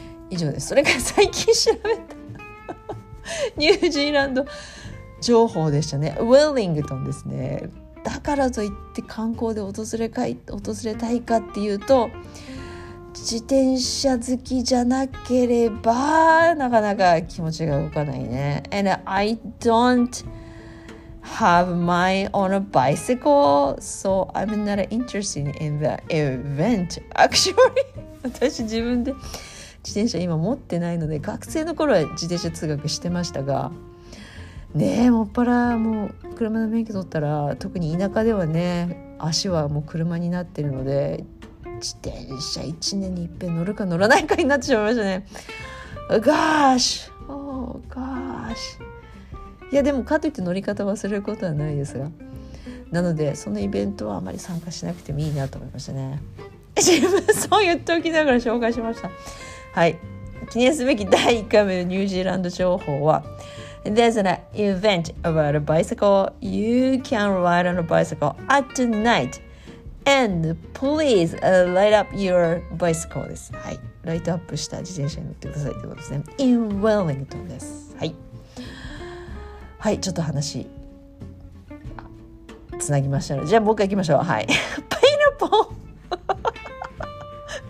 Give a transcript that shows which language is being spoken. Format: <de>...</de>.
<ja>以上です。それから最近調べたニュージーランド情報でしたね。ウェリングトンですね。だからといって観光で訪れたいかっていうと、自転車好きじゃなければなかなか気持ちが動かないね。</ja> <en>And I don't have my own bicycle, so I'm not interested in the event actually.</en> <ja>私自分で自転車今持ってないので、学生の頃は自転車通学してましたが、ねえ、もっぱらもう車の免許取ったら、特に田舎ではね、足はもう車になってるので、自転車1年に一遍乗るか乗らないかになってしまいましたね。ガーシュ、おーガーシュ。いやでもかといって乗り方忘れることはないですが、なのでそのイベントはあまり参加しなくてもいいなと思いましたね。自分そう言っておきながら紹介しました。はい、記念すべき第1回目のニュージーランド情報は、</ja> <en>There's an event about a bicycle. You can ride on a bicycle at night. And please light up your bicycle</en> <ja>です。はい。ライトアップした自転車に乗ってくださいってことですね。</ja> <en>In Wellington</en> <ja>です。はい。はい、ちょっと話、つなぎましたので、じゃあもう一回いきましょう。はい。</ja> <en>Pineapple!</en>